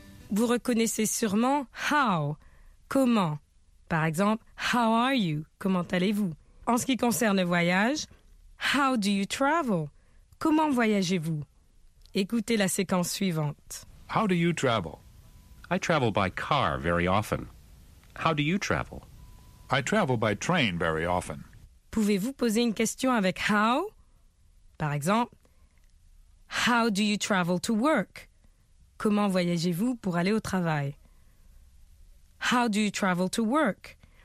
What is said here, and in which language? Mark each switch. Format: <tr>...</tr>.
<fr>Vous reconnaissez sûrement how, comment. Par exemple,</fr> <en>how are you?</en> <fr>Comment allez-vous? En ce qui concerne le voyage,</fr> <en>how do you travel?</en> <fr>Comment voyagez-vous? Écoutez la séquence suivante.</fr> <en>How do you travel? I travel by car very often. How do you travel? I travel by train very often.</en> <fr>Pouvez-vous poser une question avec how? Par exemple,</fr> <en>how do you travel to work?</en> <fr>Comment voyagez-vous pour aller au travail?</fr> <en>How do you travel to work?</en>